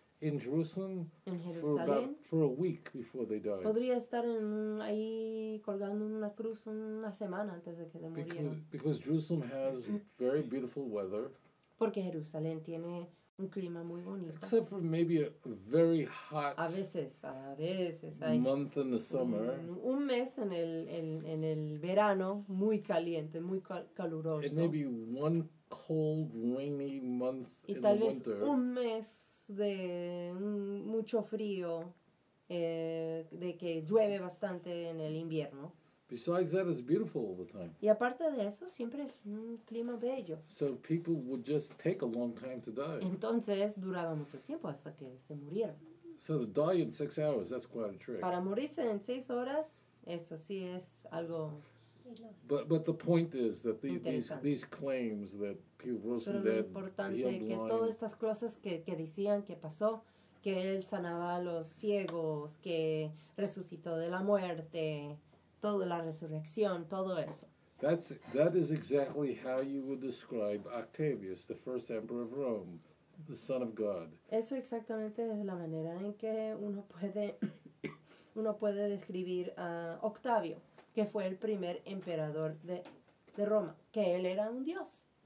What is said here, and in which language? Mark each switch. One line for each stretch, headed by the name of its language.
English: in Jerusalem, for a week before they die.
Spanish: Podría estar ahí colgando una cruz una semana antes de que se muriera.
English: Because Jerusalem has very beautiful weather.
Spanish: Porque Jerusalén tiene un clima muy bonito.
English: Except for maybe a very hot.
Spanish: A veces
English: hay month in the summer.
Spanish: Un mes en el verano muy caliente, muy caluroso.
English: And maybe one cold rainy month in the winter.
Spanish: Y tal vez un mes de mucho frío, de que llueve bastante en el invierno.
English: Besides that, it's beautiful all the time.
Spanish: Y aparte de eso, siempre es un clima bello.
English: So people would just take a long time to die.
Spanish: Entonces duraba mucho tiempo hasta que se murieron.
English: So to die in 6 hours, that's quite a trick.
Spanish: Para morirse en 6 horas, eso sí es algo.
English: But the point is that these claims that people were dead, healed blind.
Spanish: Pero lo importante que todas estas cosas que decían que pasó, que él sanaba a los ciegos, que resucitó de la muerte, toda la resurrección, todo eso.
English: That is exactly how you would describe Octavius, the first emperor of Rome, the son of God.
Spanish: Eso exactamente es la manera en que uno puede describir a Octavio, que fue el primer emperador de Roma, que él era un dios.